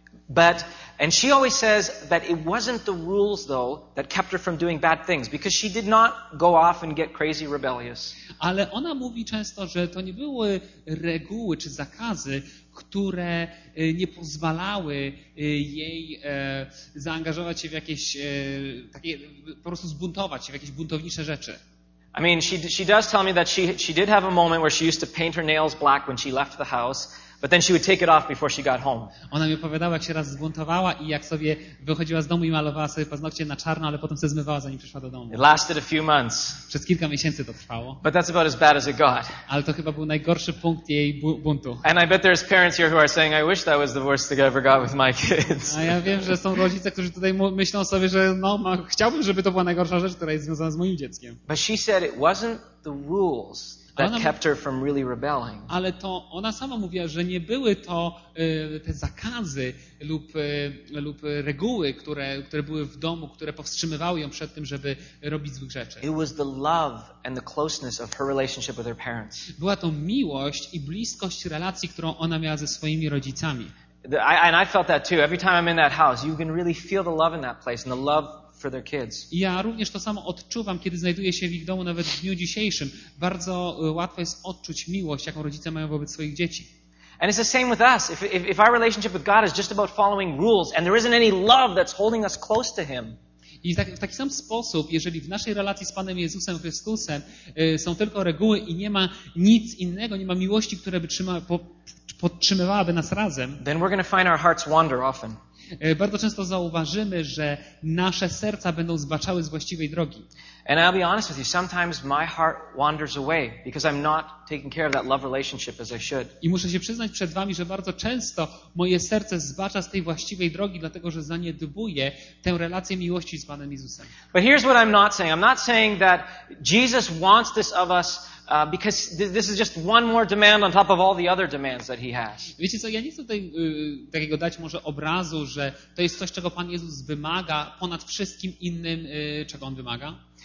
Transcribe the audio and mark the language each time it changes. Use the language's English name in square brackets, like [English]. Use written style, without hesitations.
[English] But and she always says that it wasn't the rules though that kept her from doing bad things because she did not go off and get crazy rebellious. [Polish] Ale ona mówi często, że to nie były reguły czy zakazy, które nie pozwalały jej zaangażować się w jakieś takie po prostu zbuntować się w jakieś buntownicze rzeczy. [English] I mean she does tell me that she did have a moment where she used to paint her nails black when she left the house. But then she would take it off before she got home. [Polish] Ona mi opowiadała, jak się raz zbuntowała i jak sobie wychodziła z domu i malowała sobie paznokcie na czarno, ale potem se zmywała, zanim przyszła do domu. [English] It lasted a few months. [Polish] Przez kilka miesięcy to trwało. [English] But that's about as bad as it got. [Polish] Ale to chyba był najgorszy punkt jej buntu. [English] And I bet there's parents here who are saying, I wish that was the worst thing I ever got with my kids. [Polish] A ja wiem, że są rodzice, którzy tutaj myślą sobie, że no, chciałbym, żeby to była najgorsza rzecz, która jest związana z moim dzieckiem. [English] But she said it wasn't the rules. That kept her from really rebelling. [Polish] Ale to ona sama mówiła, że nie były to te zakazy lub reguły, które były w domu, które powstrzymywały ją przed tym, żeby robić złych rzeczy. [English] It was the love and the closeness of her relationship with her parents. [Polish] Była to miłość i bliskość relacji, którą ona miała ze swoimi rodzicami. [English] And I felt that too. Every time I'm in that house, you can really feel the love in that place and the love. [Polish] Ja również to samo odczuwam, kiedy znajduję się w ich domu, nawet w dniu dzisiejszym. Bardzo łatwo jest odczuć miłość, jaką rodzice mają wobec swoich dzieci. [English] And it's the same with us. If our relationship with God is just about following rules and there isn't any love that's holding us close to Him. [Polish] I w taki sam sposób, jeżeli w naszej relacji z Panem Jezusem Chrystusem są tylko reguły i nie ma nic innego, nie ma miłości, która by podtrzymywałaby nas razem, [English] then we're going to find our hearts wander often. [Polish] Bardzo często zauważymy, że nasze serca będą zbaczały z właściwej drogi. [English] And I'll be honest with you, sometimes my heart wanders away because I'm not taking care of that love relationship as I should. [Polish] I muszę się przyznać przed wami, że bardzo często moje serce zbacza z tej właściwej drogi, dlatego że zaniedbuję tę relację miłości z Panem Jezusem. [English] But here's what I'm not saying. I'm not saying that Jesus wants this of us. Because this is just one more demand on top of all the other demands that he has. [Polish] Wiecie co, ja nie chcę tutaj takiego dać może obrazu, że to jest coś, czego Pan Jezus wymaga ponad wszystkim innym, czego on wymaga.